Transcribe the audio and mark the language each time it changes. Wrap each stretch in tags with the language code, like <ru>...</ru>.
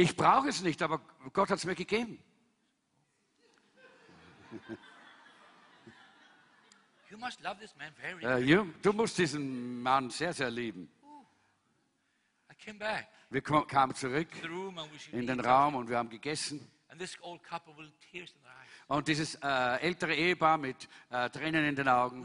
<de>Ich brauche es nicht, aber Gott hat es mir gegeben.</de> <en>You must love this man very</en> <de>much. Du musst diesen Mann sehr, sehr lieben.</de> <en>Ooh, I came back.</en> <de>Wir kamen zurück in den Raum und wir haben gegessen.</de> <en>And this old couple with tears in their eyes.</en> <de>Und dieses ältere Ehepaar mit Tränen in den Augen.</de>